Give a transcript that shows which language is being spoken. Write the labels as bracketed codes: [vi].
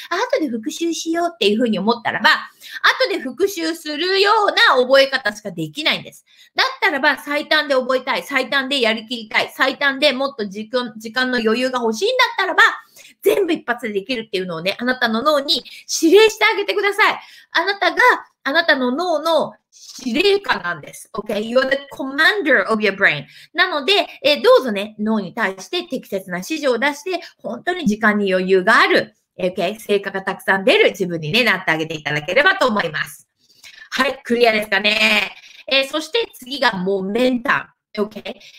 [ja] 後で復習しようっていうふうに思ったらば、後で復習するような覚え方しかできないんです。だったらば、最短で覚えたい、最短でやりきりたい、最短でもっと時間の余裕が欲しいんだったらば、全部一発でできるっていうのをね、あなたの脳に指令してあげてください。あなたが、あなたの脳の司令官なんです。 [en] Okay? You're the commander of your brain. [ja] なので、どうぞね、脳に対して適切な指示を出して、本当に時間に余裕がある。 [en] Okay? [ja] 成果がたくさん出る自分に、ね、なってあげていただければと思います。はい、クリアですかね。そして次がモメンタム。 [en] Okay?